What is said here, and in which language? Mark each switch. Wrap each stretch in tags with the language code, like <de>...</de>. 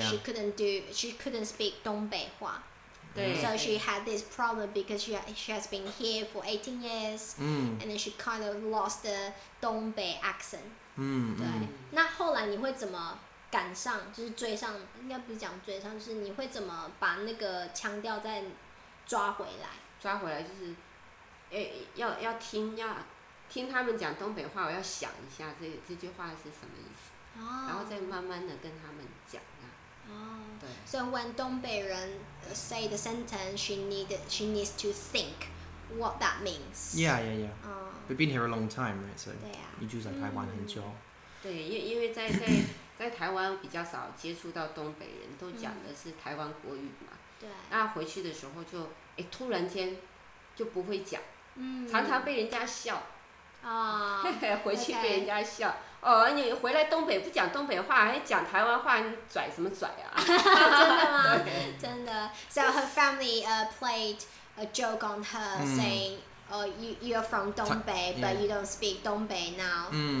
<en>She couldn't speak 东北话 So she had this problem because she has been here for 18 years,、 mm. and then she kind of lost the 东北 accent. 嗯、mm-hmm. ，</en> <zh>对。那后来你会怎么赶上？就是追上，应该不是讲追上，就是你会怎么把那个腔调再抓回来？抓回来就是，要听听他们讲东北话，我要想一下 这句话是什么意思，</zh> <en>oh.</en> <zh>然后再慢慢的跟他们讲啊。哦、oh. ，对。</zh> <en>So when 东北人 say the sentence, she needs to think what that means. Yeah, yeah, yeah. We've been here a long time, right? So</en> <zh>对啊，你住在台湾很久。嗯、对，因为在台湾比较少接触到东北人，都讲的是台湾国语嘛。对。那回去的时候就突然间就不会讲，嗯，常常被人家笑。啊、oh, ，回去被人家笑、</zh> <en>okay.</en> <zh>哦，你回来东北不讲东北话，还讲台湾话，你拽什么拽啊？真的吗？真的。</zh> <en>So her family played a joke on her, saying, "Oh, you're from 东北 but you don't speak 东北 now."</en>